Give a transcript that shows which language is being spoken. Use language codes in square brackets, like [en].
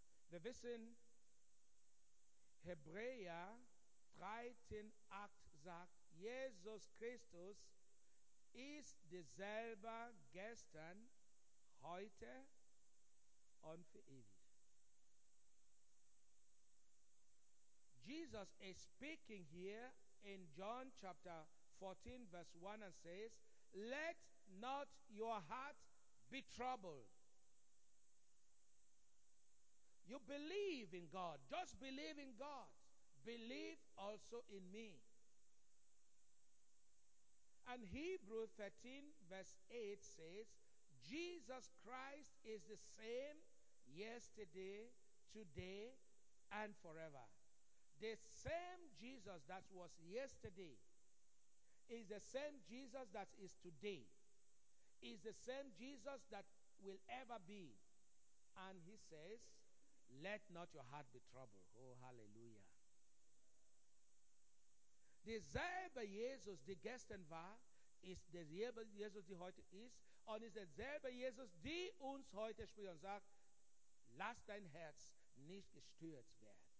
[de] Wir wissen, Hebräer 13, 8 sagt, Jesus Christus ist derselbe gestern, heute und für ewig. [en] Jesus is speaking here in John chapter 14, verse 1 and says, let not your heart be troubled. You believe in God. Just believe in God. Believe also in me. And Hebrews 13 verse 8 says, Jesus Christ is the same yesterday, today, and forever. The same Jesus that was yesterday is the same Jesus that is today. Is the same Jesus that will ever be. And he says, let not your heart be troubled. Oh, hallelujah. [de] Derselbe Jesus, der gestern war, ist derselbe Jesus, der heute ist, und ist derselbe Jesus, der uns heute spricht und sagt, lass dein Herz nicht gestört werden.